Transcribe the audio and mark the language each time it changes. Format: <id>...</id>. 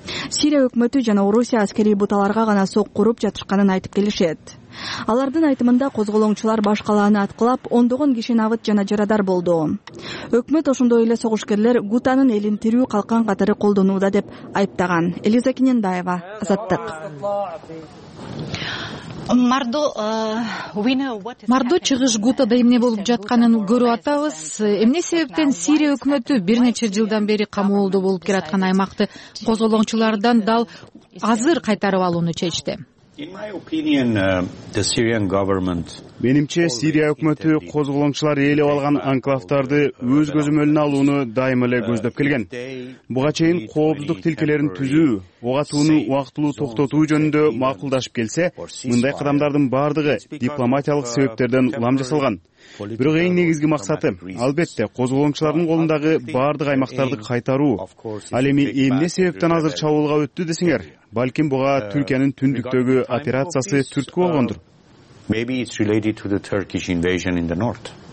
<ky>Сирия өкмөтү жана Орусия аскерий буталарга гана соккуруп жатышканын айтып келишет. Алардын айтымында козголоңчулар баш калааны аткылап, ондогон киши навыт жана жарадар болду. Өкмөт ошондой эле согушкерлер Гутанын элин тирүү калкан катары колдонууда деп айыптаган. Элиза Кинендаева, Азаттык. Мардо чыгыш Гутада эмне болуп жатканын көрүп атабыз. Эмне себептен Сирия өкмөтү бир нече жылдан бери камоолдо болуп келаткан аймакты козголоңчулардан дал азыр кайтарып алууну чечти? Менимче, Сирия өкмөтү козголоңчулар ээлеп алган анклавтарды өз көзөмөлүнө алууну дайым эле көздөп келген. Буга чейин коопсуздук тилкелерин түзүү, угатууну убактылуу токтотуу жөнүндө макулдашып келсе, мындай кадамдардын баардыгы дипломатиялык себептерден улам жасалган. Бирок эң негизги максаты албетте козголоңчулардын колундагы баардык аймактарды кайтаруу. Ал эми эмне себептен азыр чабуулга өттү десеңер, балким буга Түркиянын түндүктөгү операциясы түрткү болгондур.</ky> <en>Maybe it's related to the Turkish invasion in the north.</en>